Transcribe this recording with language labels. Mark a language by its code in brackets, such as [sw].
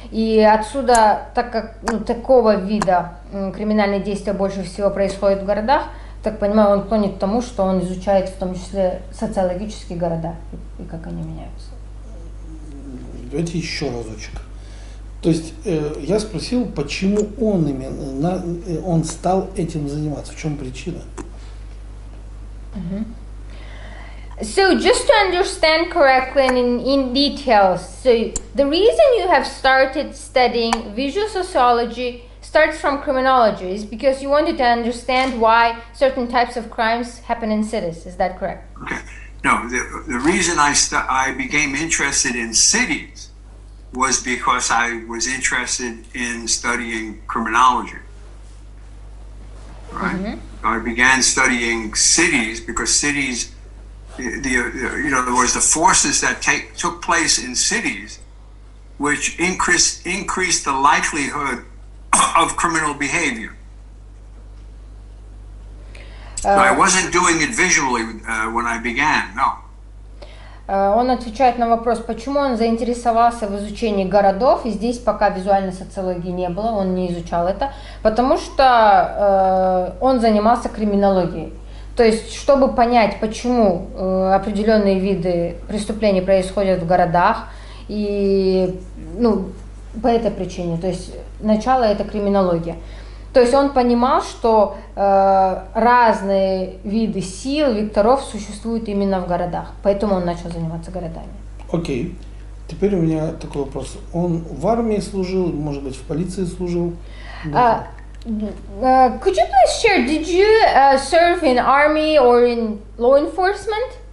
[ru] И отсюда, так как ну, такого вида криминальные действия больше всего происходят в городах, так понимаю, он клонит к тому, что он изучает в том числе социологические города и как они меняются. Давайте еще разочек. То есть я спросил, почему он именно он стал этим заниматься, в чем причина? Mm-hmm. [en] So just to understand correctly and in details, so the reason you have started studying visual sociology starts from criminology is because you wanted to understand why certain types of crimes happen in cities. Is that correct? Okay. No, the reason I became interested in cities was because I was interested in studying criminology, right? Mm-hmm. I began studying cities because cities, the forces that took place in cities, which increased the likelihood of criminal behavior. So I wasn't doing it visually when I began, no. [ru] Он отвечает на вопрос, почему он заинтересовался в изучении городов, и здесь пока визуальной социологии не было, он не изучал это, потому что он занимался криминологией. То есть, чтобы понять, почему определенные виды преступлений происходят в городах, и ну, по этой причине, то есть начало это криминология. То есть он понимал, что разные виды сил, векторов существуют именно в городах. Поэтому он начал заниматься городами. Окей. Теперь у меня такой вопрос. Он в армии служил, может быть, в полиции служил? [en] Could you please share, did you serve in army or in law enforcement?